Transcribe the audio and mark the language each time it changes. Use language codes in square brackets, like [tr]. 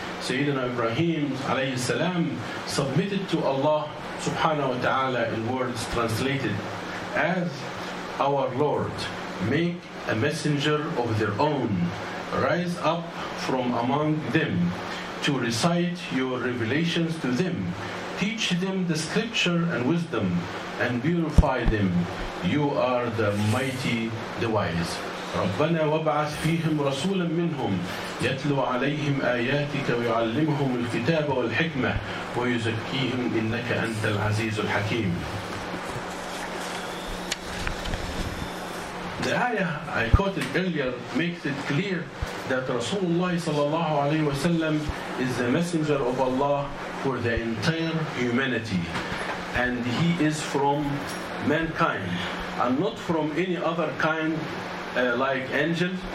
[en] Sayyidina Ibrahim alayhi salam submitted to Allah subhanahu wa ta'ala in words translated as, "Our Lord, make a messenger of their own, rise up from among them to recite your revelations to them, teach them the scripture and wisdom, and beautify them. You are the mighty, the wise." [ar] ربنا وابعث فيهم رسولا منهم يتلو عليهم آياتك ويعلمهم الكتاب والحكمة ويزكيهم إنك أنت العزيز الحكيم. [en] The ayah I quoted earlier makes it clear that Rasulullah sallallahu alayhi wa sallam is the messenger of Allah for the entire humanity, and he is from mankind and not from any other kind like angels.